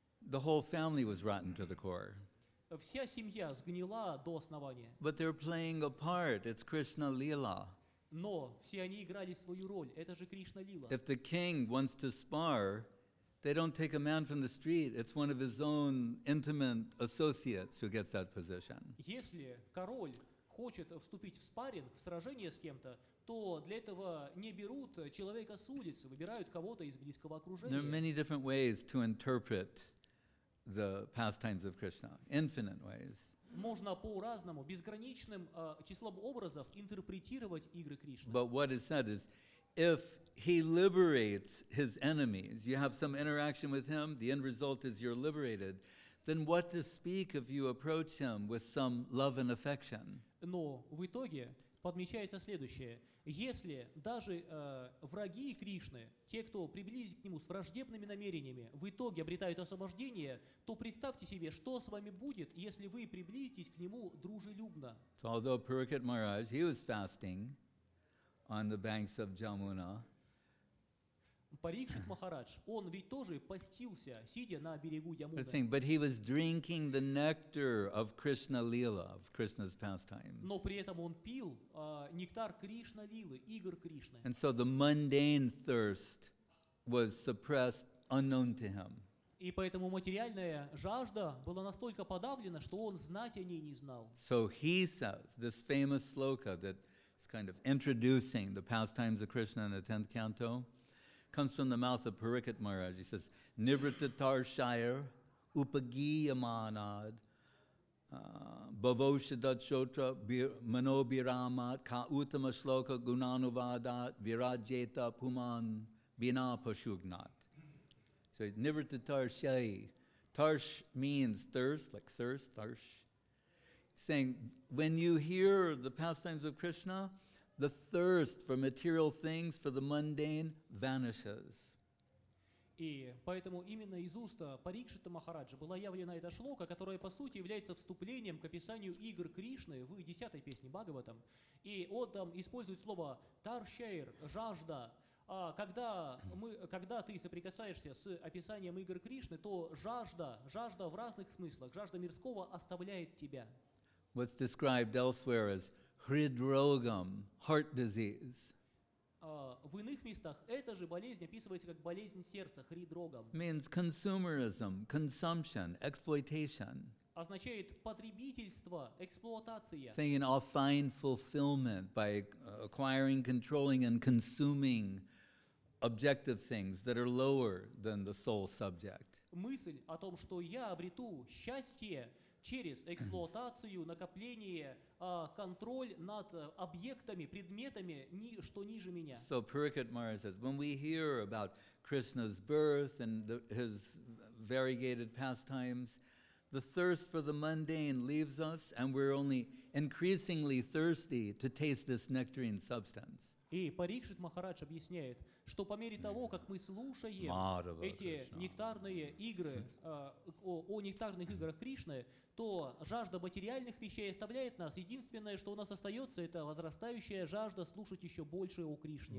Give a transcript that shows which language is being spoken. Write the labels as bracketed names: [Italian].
[English] The whole family was rotten to the core. [Russian] Вся семья сгнила до основания. [English] But they're playing a part. It's Krishna Lila. [Russian] Но все они играли свою роль. Это же Кришна Лила. [English] If the king wants to spar, they don't take a man from the street. It's one of his own intimate associates who gets that position. [Russian] Если король хочет вступить в спарринг, в сражение с кем-то, то для этого не берут человека с улицы, выбирают кого-то из близкого окружения. [English] There are many different ways to interpret the pastimes of Krishna. Infinite ways. [Russian] Можно по-разному, безграничным числом образов интерпретировать игры Кришны. [English] But what is said is, if he liberates his enemies, you have some interaction with him, the end result is you're liberated, then what to speak if you approach him with some love and affection? [Russian] Но в итоге подмечается следующее. Если даже враги Кришны, те, кто приблизит к нему с враждебными намерениями, в итоге обретают освобождение, то представьте себе, что с вами будет, если вы приблизитесь к нему дружелюбно. [English] Although Purikit Maharaj, he was fasting on the banks of Jamuna. [Russian] Парикшит Махарадж, он ведь тоже постился, сидя на берегу Ямуны. [English] But he was drinking the nectar of Krishna Lila, of Krishna's pastimes. [Russian] Но при этом он пил нектар Кришна Лилы, игр Кришны. [English] And so the mundane thirst was suppressed, unknown to him. [Russian] И поэтому материальная жажда была настолько подавлена, что он знать о ней не знал. [English] So he says this famous sloka that is kind of introducing the pastimes of Krishna in the 10th canto comes from the mouth of Parikshit Maharaj. [Sanskrit] He says, Nivritta tarshayar upagiyamanad bhavoshadachotra manobiramat ka uttama sloka gunanuvadat virajeta puman bina pashugnat. [English] So Nivritta tarshayi. Tarsh means thirst, like thirst, tarsh. Saying, when you hear the pastimes of Krishna, the thirst for material things, for the mundane, vanishes. [Russian] И поэтому именно из уст Парикшита Махараджа была явлена эта шлока, которая по сути является вступлением к описанию игр Кришны в 10-й песне Бхагаватам. И он там использует слово «таршайр» – «жажда». Когда ты соприкасаешься с описанием игр Кришны, то жажда в разных смыслах, жажда мирского оставляет тебя. [English] What's described elsewhere as хридрогам, heart disease. [Russian] В иных местах эта же болезнь описывается как болезнь сердца, хридрогам. [English] Means consumerism, consumption, exploitation. [Russian] Означает потребительство, эксплуатация. [English] Thinking I'll find fulfillment by acquiring, controlling and consuming objective things that are lower than the soul subject. [Russian] Мысль о том, что я обрету счастье через эксплуатацию, накопление, контроль над объектами, предметами, что ниже меня. [English] So Parikshit Maharaj says, when we hear about Krishna's birth and his variegated pastimes, the thirst for the mundane leaves us and we're only increasingly thirsty to taste this nectarine substance. [Russian] И Парикшит Махарадж объясняет, что по мере того, как мы слушаем Madhava эти Krishna. Нектарные игры, о нектарных играх Кришны, то жажда материальных вещей оставляет нас. Единственное, что у нас остается, это возрастающая жажда слушать еще больше о Кришне.